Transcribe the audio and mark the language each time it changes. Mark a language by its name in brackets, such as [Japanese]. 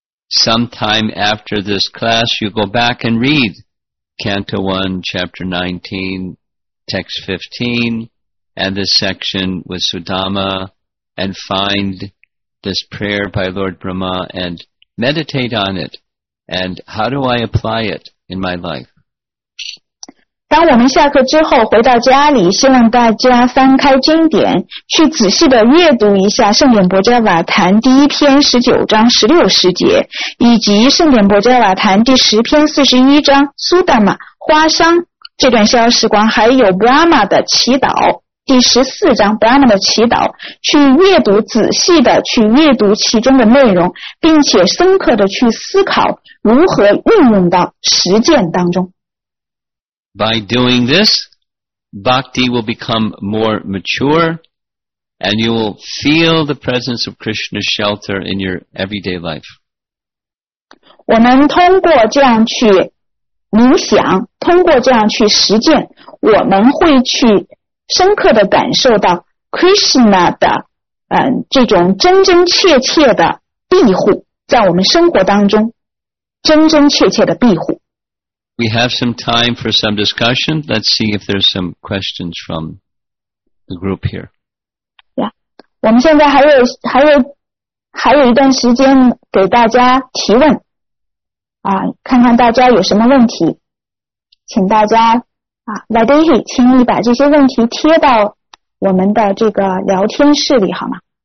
[English] Sometime after this class, you go back and read Canto 1, Chapter 19, Text 15. And this section with Sudama, and find this prayer by Lord Brahma, and meditate on it. And how do I apply it in my life? [Chinese] 当我们下课之后回到家里，希望大家翻开经典，去仔细的阅读一下《圣典薄伽瓦坛》第一篇19章16十节，以及《圣典薄伽瓦坛》第十篇41章苏达玛花商这段逍遥时光，还有 Brahma 的祈祷。第十四章 Brahma 的祈祷，去阅读，仔细的去阅读其中的内容，并且深刻的去思考如何运用到实践当中。 [English] By doing this, bhakti will become more mature, and you will feel the presence of Krishna's shelter in your everyday life. [Chinese] 我们通过这样去冥想，通过这样去实践，我们会去深刻的感受到 Krishna 的这种真真切切的庇护，在我们生活当中真真切切的庇护。 [English] We have some time for some discussion. Let's see if there's some questions from the group here. Yeah. [Chinese] 我们现在还有一段时间给大家提问。啊，看看大家有什么问题。请大家啊 ,Vadehi, 请你把这些问题贴到我们的这个聊天室里好吗？